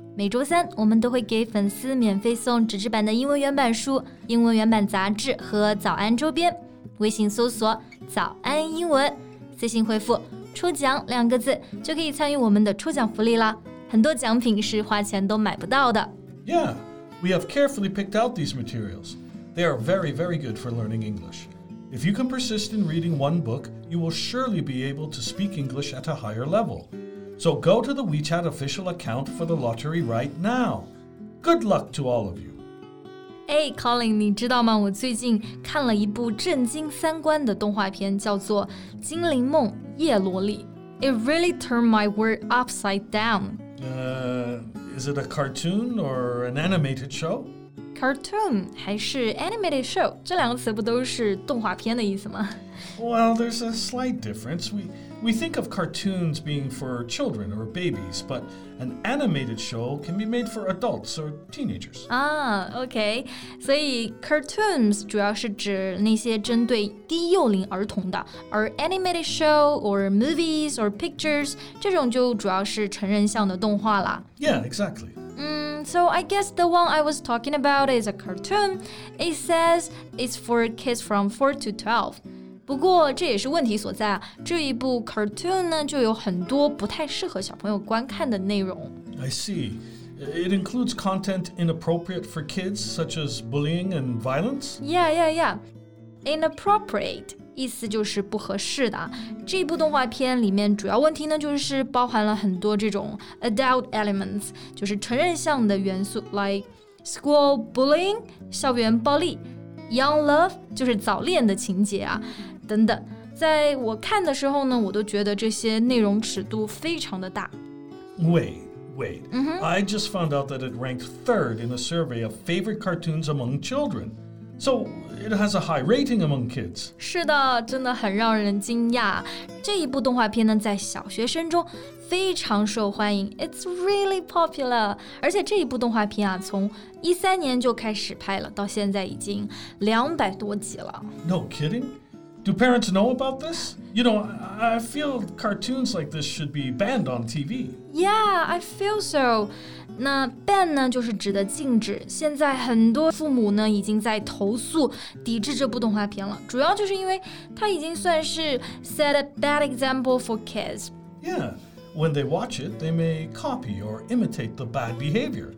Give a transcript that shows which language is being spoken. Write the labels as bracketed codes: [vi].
[zh] 每周三，我们都会给粉丝免费送纸质版的英文原版书、英文原版杂志和早安周边。微信搜索早安英文，私信回复抽奖两个字，就可以参与我们的抽奖福利啦。很多奖品是花钱都买不到的。 [en] Yeah, we have carefully picked out these materials. They are very, very good for learning English. If you can persist in reading one book, you will surely be able to speak English at a higher level. So go to the WeChat official account for the lottery right now. Good luck to all of you. [zh] Hey, Colin, 你知道吗？我最近看了一部震惊三观的动画片，叫做《精灵梦夜萝莉》。 [en] It really turned my world upside down. Is it a cartoon or an animated show? Cartoon 还是 animated show? [zh] 这两个词不都是动画片的意思吗? [en] Well, there's a slight difference. We think of cartoons being for children or babies, but an animated show can be made for adults or teenagers. Ah, okay. [zh] 所以 cartoons 主要是指那些针对低幼龄儿童的，而 [en] animated show or movies or pictures [zh] 这种就主要是成人向的动画啦。 [en] Yeah, exactly. So I guess the one I was talking about is a cartoon. It says it's for kids from 4 to 12. [zh] 不过这也是问题所在啊，这一部 cartoon 呢就有很多不太适合小朋友观看的内容。 [en] I see. It includes content inappropriate for kids, such as bullying and violence? Yeah, yeah, yeah. [zh] Inappropriate, 意思就是不合适的。这部动画片里面主要问题呢就是包含了很多这种 [en] adult elements, [zh] 就是成人向的元素 [en] like school bullying, [zh] 校园暴力。 [en] Young love, [zh] 就是早恋的情节啊等等。在我看的时候呢我都觉得这些内容尺度非常的大。 [en] Wait.、Mm-hmm. I just found out that it ranked third in a survey of favorite cartoons among children. So, it has a high rating among kids. [zh] 是的真的很让人惊讶。这一部动画片呢在小学生中非常受欢迎。 [en] It's really popular. [zh] 而且这一部动画片啊从13年就开始拍了到现在已经200多集了。 [en] No kidding? Do parents know about this? You know, I feel cartoons like this should be banned on TV. Yeah, I feel so. [zh] 那 ban 呢就是指的禁止。现在很多父母呢已经在投诉抵制这部动画片了。主要就是因为它已经算是 [en] set a bad example for kids. Yeah. When they watch it, they may copy or imitate the bad behavior.